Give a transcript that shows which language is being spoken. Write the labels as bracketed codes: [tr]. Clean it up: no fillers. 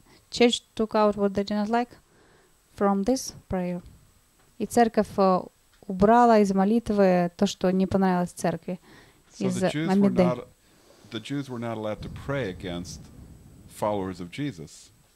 [en] Church took out what they did not like from this prayer. [ru] И церковь убрала из молитвы то, что не понравилось церкви. [en] So the Jews were not allowed to pray against followers of Jesus.